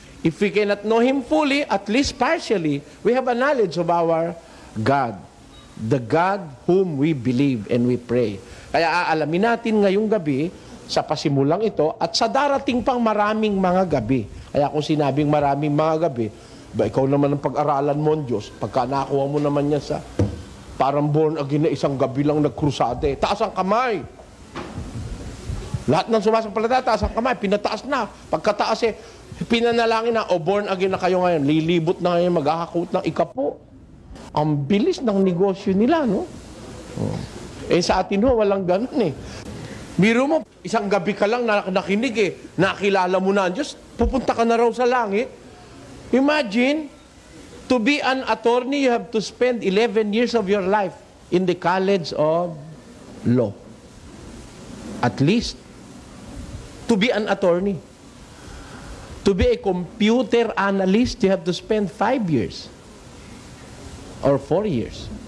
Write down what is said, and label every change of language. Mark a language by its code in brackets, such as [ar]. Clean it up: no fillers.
[en] If we cannot know Him fully, at least partially, we have a knowledge of our God. The God whom we believe and we pray. [tl] Kaya aalamin natin ngayong gabi, sa pasimulang ito, at sa darating pang maraming mga gabi. Kaya kung sinabing maraming mga gabi, ba ikaw naman ang pag-aralan mo ang Diyos, pagka nakuha mo naman yan sa parang born again na isang gabi lang nagkrusade. Taas ang kamay. Lahat ng sumasampalata, taas ang kamay. Pinataas na. Pagkataas eh, pinanalangin na, o born again na kayo ngayon, lilibot na ngayon, maghahakot ng ikapo. Ang bilis ng negosyo nila, no? Eh sa atin, no, walang ganun eh. Biro mo, isang gabi ka lang nakinig eh, nakilala mo na ang Diyos, pupunta ka na raw sa langit. [en] Imagine, to be an attorney, you have to spend 11 years of your life in the College of Law. At least, to be an attorney. To be a computer analyst, you have to spend 5 years or 4 years.